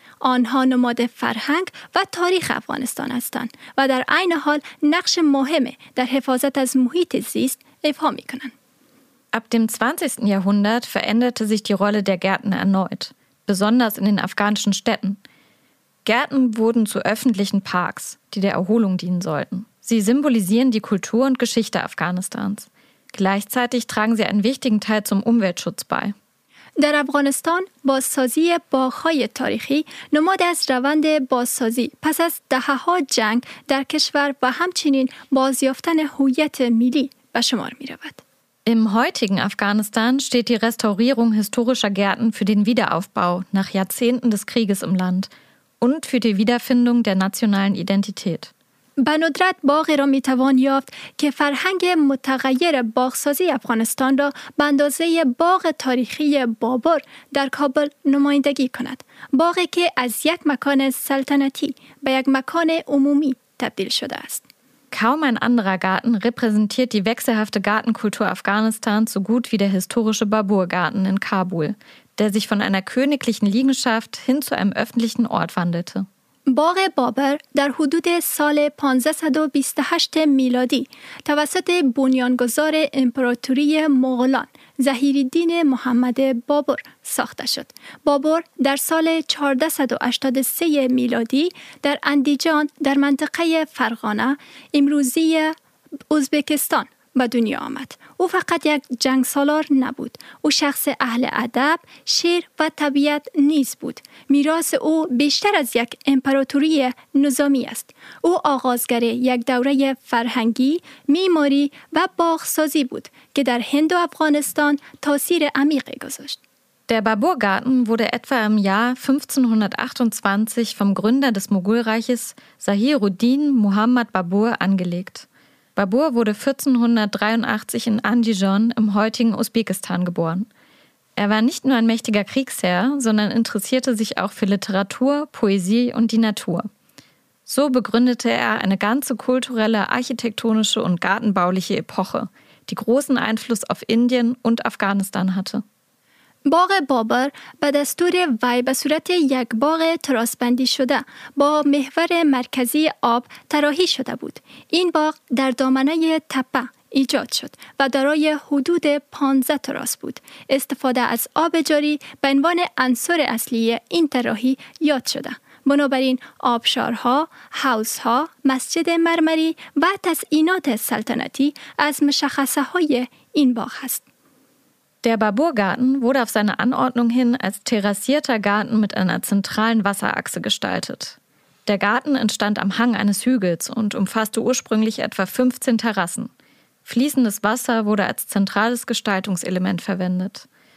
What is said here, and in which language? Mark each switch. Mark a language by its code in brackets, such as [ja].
[fa] آنها نماد فرهنگ و تاریخ افغانستان هستند و در عین حال نقش مهمی در حفاظت از محیط زیست ایفا می‌کنند. [de] Ab dem 20. Jahrhundert veränderte sich die Rolle der Gärten erneut, besonders in den afghanischen Städten. Gärten wurden zu öffentlichen Parks, die der Erholung dienen sollten. Sie symbolisieren die Kultur und Geschichte Afghanistans. Gleichzeitig tragen sie einen wichtigen Teil zum Umweltschutz bei. [fa] در افغانستان بازسازی باغ‌های تاریخی نماد از روند بازسازی پس از دهه‌ها جنگ در کشور و همچنین بازیافتن هویت ملی به شمار می‌رود. [de] Im heutigen Afghanistan steht die Restaurierung historischer Gärten für den Wiederaufbau nach Jahrzehnten des Krieges im Land und für die Wiederfindung der nationalen Identität. [fa] به ندرت باغی را می توان یافت که فرهنگ متغیر باغسازی افغانستان را به اندازه باغ تاریخی بابر در کابل نمایندگی کند. باغی که از یک مکان سلطنتی به یک مکان عمومی تبدیل شده است. [de] Kaum ein anderer Garten repräsentiert die wechselhafte Gartenkultur Afghanistans so gut wie der historische Babur-Garten in Kabul, der sich von einer königlichen Liegenschaft hin zu einem öffentlichen Ort wandelte. [fa] باغ بابر در حدود سال 1528 میلادی توسط بنیانگذار امپراتوری مغولان ظهیرالدین محمد بابر ساخته شد. بابر در سال 1483 میلادی در اندیجان در منطقه فرغانه امروزی ازبکستان به دنیا آمد. او فقط یک جنگ سالار نبود. او شخص اهل ادب، شعر و طبیعت نیز بود. میراث او بیشتر از یک امپراتوری نظامی است. او آغازگر یک دوره فرهنگی، معماری و باغ‌سازی بود که در هند و افغانستان تاثیر عمیقی گذاشت. [de] Der Baburgarten wurde etwa im Jahr 1528 vom Gründer des Mogulreiches Zahiruddin Muhammad Babur angelegt. Babur wurde 1483 in Andijan im heutigen Usbekistan geboren. Er war nicht nur ein mächtiger Kriegsherr, sondern interessierte sich auch für Literatur, Poesie und die Natur. So begründete er eine ganze kulturelle, architektonische und gartenbauliche Epoche, die großen Einfluss auf Indien und Afghanistan hatte. [fa] باغ بابر به دستور وی به صورت یک باغ تراسبندی شده با محور مرکزی آب طراحی شده بود. این باغ در دامنه تپه ایجاد شد و دارای حدود 15 تراس بود. استفاده از آب جاری به عنوان عنصر اصلی این طراحی یاد شده. بنابراین آبشارها، حوض‌ها، مسجد مرمری و تزئینات سلطنتی از مشخصه های این باغ هست. [de] Der Baburgarten wurde auf seine Anordnung hin als terrassierter Garten mit einer zentralen Wasserachse gestaltet. Der Garten entstand am Hang eines Hügels und umfasste ursprünglich etwa 15 Terrassen. Fließendes Wasser wurde als zentrales Gestaltungselement verwendet.